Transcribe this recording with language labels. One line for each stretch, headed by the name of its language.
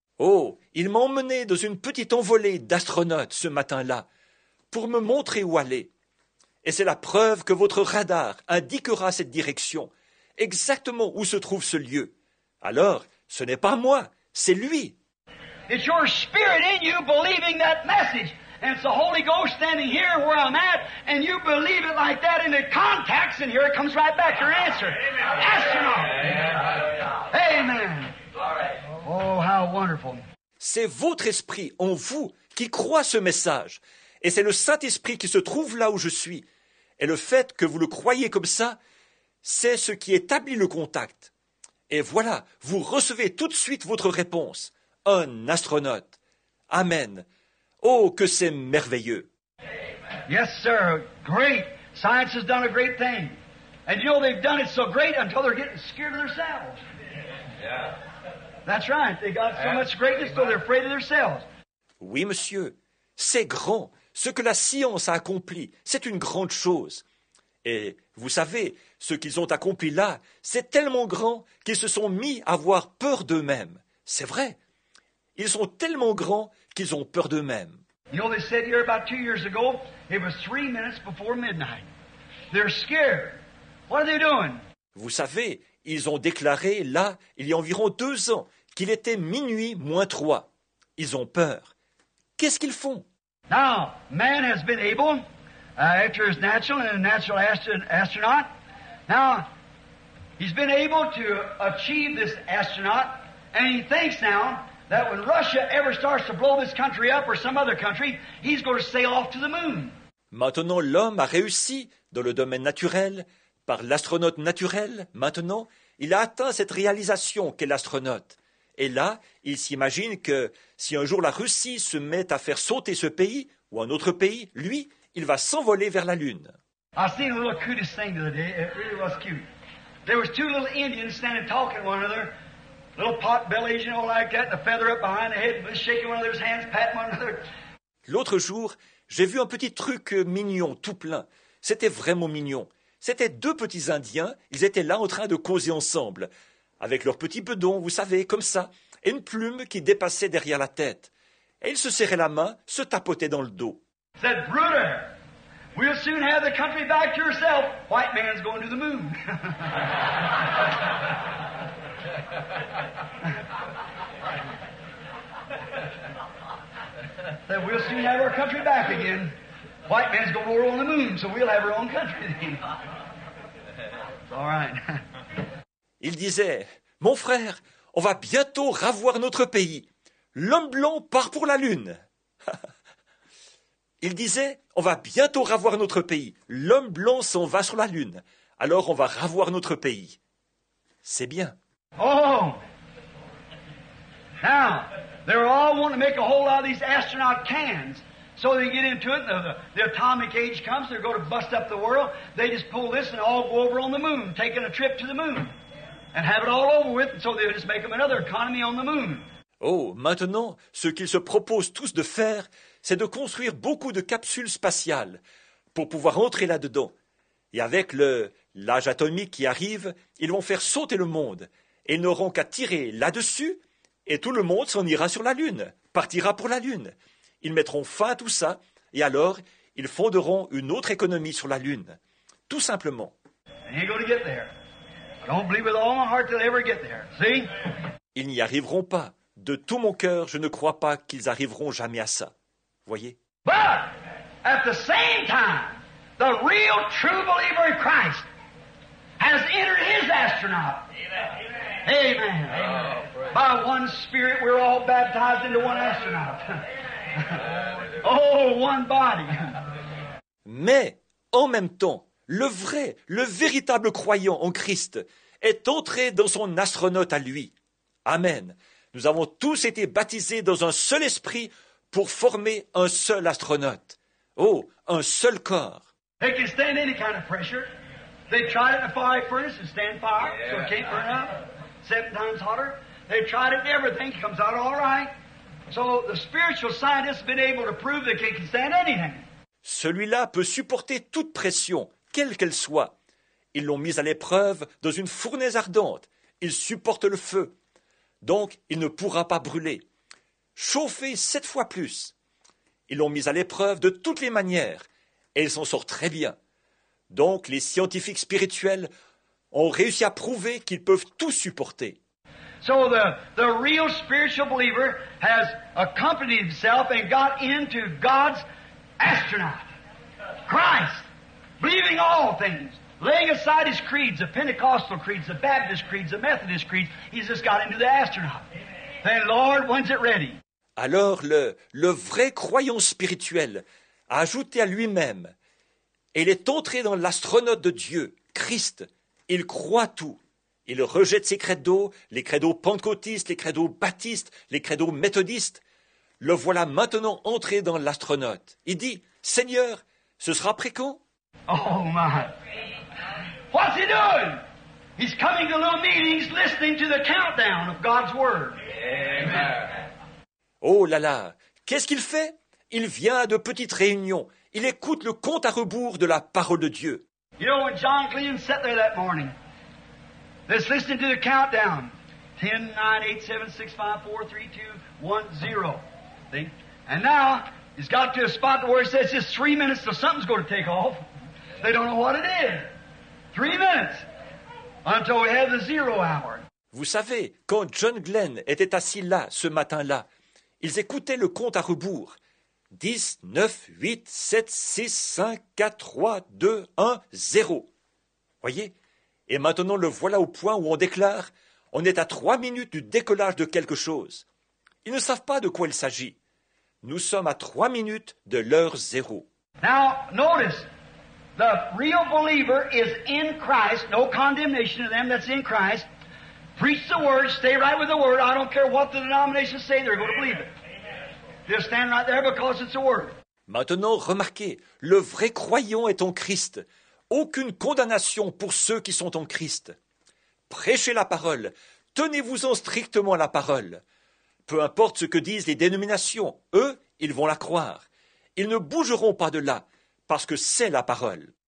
French: Oh, il m'a emmené dans une petite envolée d'astronautes ce matin-là pour me montrer où aller. Et c'est la preuve que votre radar indiquera cette direction, exactement où se trouve ce lieu. Alors, ce n'est pas moi, c'est lui.
English: It's your spirit in you believing that message. And it's the Holy Ghost standing here where I'm at, and you believe it like that, and it contacts, and here it comes right back, your answer. Amen. Astronaut. Amen. Amen. Oh, how wonderful.
French: C'est votre esprit en vous qui croit ce message. Et c'est le Saint-Esprit qui se trouve là où je suis. Et le fait que vous le croyez comme ça, c'est ce qui établit le contact. Et voilà, vous recevez tout de suite votre réponse. Un astronaute. Amen. Oh, que c'est merveilleux.
English: Yes, sir. Great. Science has done a great thing. And you know, they've done it so great until they're getting scared of themselves. Yeah. That's right. They got so much greatness, so they're afraid of themselves.
French: Oui, monsieur. C'est grand. Ce que la science a accompli, c'est une grande chose. Et vous savez, ce qu'ils ont accompli là, c'est tellement grand qu'ils se sont mis à avoir peur d'eux-mêmes. C'est vrai. Ils sont tellement grands qu'ils ont peur d'eux-mêmes.
English: You know, they said here about 2 years ago, it was 3 minutes before midnight. They're scared. What are they doing?
French: Vous savez, ils ont déclaré là, il y a environ 2 ans, qu'il était minuit moins 3. Ils ont peur. Qu'est-ce qu'ils font?
English: Now, man has been able, after his natural and a natural astronaut, now, he's been able to achieve this astronaut, and he thinks now that when Russia ever starts to blow this country up or some other country, he's going to sail off to the moon.
French: Maintenant, l'homme a réussi dans le domaine naturel, par l'astronaute naturel. Maintenant, il a atteint cette réalisation qu'est l'astronaute. Et là, il s'imagine que si un jour la Russie se met à faire sauter ce pays ou un autre pays, lui, il va s'envoler vers la Lune.
English: I seen a little cutest thing the other day. It really was cute. There was two little Indians standing talking to one another, little pot bellies, you know, like that, the feather up behind the head, shaking one another's hands, patting one another.
French: L'autre jour, j'ai vu un petit truc mignon, tout plein. C'était vraiment mignon. C'était deux petits Indiens. Ils étaient là en train de causer ensemble. Avec leur petit bedon, vous savez, comme ça, et une plume qui dépassait derrière la tête. Et ils se serraient la main, se tapotaient dans le dos.
English: He said, Bruder, we'll soon have the country back to yourself. White man's going to the moon. That we'll soon have our country back again. White man's going to war on the moon, so we'll have our own country again. It's all right.
French: Il disait, mon frère, on va bientôt ravoir notre pays. L'homme blanc part pour la Lune. Il disait, on va bientôt ravoir notre pays. L'homme blanc s'en va sur la Lune. Alors on va ravoir notre pays. C'est bien. Oh!
English: Now, they're all wanting to make a whole lot of these astronaut cans. So they get into it, the atomic age comes, they're going to bust up the world. They just pull this and all go over on the moon, taking a trip to the moon. And have it all over with, and so they'll just make them another economy on the moon.
French: Oh, maintenant, ce qu'ils se proposent tous de faire, c'est de construire beaucoup de capsules spatiales pour pouvoir entrer là-dedans. Et avec l'âge atomique qui arrive, ils vont faire sauter le monde. Et ils n'auront qu'à tirer là-dessus, et tout le monde s'en ira sur la Lune, partira pour la Lune. Ils mettront fin à tout ça, et alors, ils fonderont une autre économie sur la Lune. Tout simplement.
English: And you're going to get there. I don't believe with all my heart they'll ever get there. See?
French: Ils n'y arriveront pas. De tout mon cœur, je ne crois pas qu'ils arriveront jamais à ça. Voyez?
English: But at the same time, the real true believer in Christ has entered his astronaut. Amen. Amen. Amen. Oh, by one spirit, we're all baptized into one astronaut. Oh, one body.
French: Mais, en même temps, le vrai, le véritable croyant en Christ est entré dans son astronaute à lui. Amen. Nous avons tous été baptisés dans un seul esprit pour former un seul astronaute. Oh, un seul corps.
English: They can stand any kind of pressure. They tried it in a fiery furnace and stand fire, so it can't burn up. Seven times hotter. They've tried it in everything. It comes out all right. So the spiritual scientists have been able to prove that they can stand anything.
French: Celui-là peut supporter toute pression, quelle qu'elle soit. Ils l'ont mis à l'épreuve dans une fournaise ardente. Il supporte le feu. Donc, il ne pourra pas brûler. Chauffé 7 fois plus. Ils l'ont mis à l'épreuve de toutes les manières. Et il s'en sort très bien. Donc, les scientifiques spirituels ont réussi à prouver qu'ils peuvent tout supporter.
English: So the real spiritual believer has accompanied himself and got into God's astronaut. Christ, believing all things. Laying aside his creeds, the Pentecostal creeds, the Baptist creeds, the Methodist creeds, he's just got into the astronaut. The Lord, when's it ready?
French: Alors le vrai croyant spirituel a ajouté à lui-même, et il est entré dans l'astronaute de Dieu, Christ. Il croit tout. Il rejette ses credos, les credos pentecôtistes, les credos baptistes, les credos méthodistes. Le voilà maintenant entré dans l'astronaute. Il dit, Seigneur, ce sera après quand?
English: Oh my! What's he doing? He's coming to little meetings, listening to the countdown of God's word. Amen.
French: Oh là là, qu'est-ce qu'il fait? Il vient à de petites réunions. Il écoute le compte à rebours de la parole de Dieu.
English: You know when John Glenn sat there that morning, just listening to the countdown, 10, 9, 8, 7, 6, 5, 4, 3, 2, 1, 0. See? And now he's got to a spot where he says just 3 minutes till something's going to take off. They don't know what it is. 3 minutes until we have the zero hour.
French: Vous savez, quand John Glenn était assis là ce matin-là, ils écoutaient le compte à rebours. 10, 9, 8, 7, 6, 5, 4, 3, 2, 1, 0. Voyez? Et maintenant, le voilà au point où on déclare, on est à 3 minutes du décollage de quelque chose. Ils ne savent pas de quoi il s'agit. Nous sommes à 3 minutes de l'heure zéro.
English: Now, notice, the real believer is in Christ, no condemnation to them that's in Christ. Preach the word, stay right with the word. I don't care what the denominations say, they're going to believe it. They'll stand right there because it's the word.
French: Maintenant, remarquez, le vrai croyant est en Christ. Aucune condamnation pour ceux qui sont en Christ. Prêchez la parole. Tenez-vous-en strictement à la parole. Peu importe ce que disent les dénominations, eux, ils vont la croire. Ils ne bougeront pas de là, parce que c'est la parole.